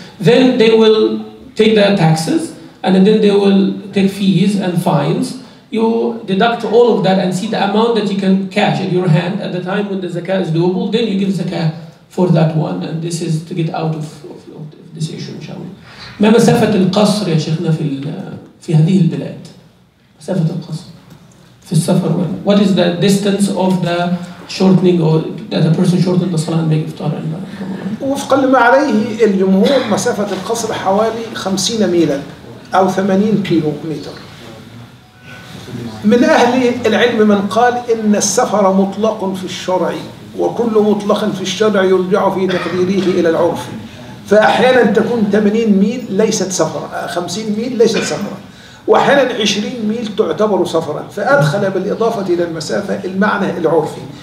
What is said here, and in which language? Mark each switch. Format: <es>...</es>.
<en>Then they will take their taxes, and then they will take fees and fines. You deduct all of that and see the amount that you can cash in your hand at the time when the zakah is doable. Then you give zakah for that one, and this is to get out of this issue, inshallah.</en> <ar>ما مسافة القصر يا شيخنا في هذه البلاد؟ مسافة القصر في السفر.</ar> <en>What is the distance of the shortening or that a person shortened the salah and make iftar?</en> <ar>وفقا لما عليه الجمهور مسافة القصر حوالي 50 ميلا أو 80 كيلو متر. من أهل العلم من قال إن السفر مطلق في الشرع، وكل مطلق في الشرع يرجع في تقديره إلى العرف، فأحيانا تكون 80 ميل ليست سفرا، 50 ميل ليست سفرا، وأحيانا 20 ميل تعتبر سفرا، فأدخل بالإضافة إلى المسافة المعنى العرفي.</ar>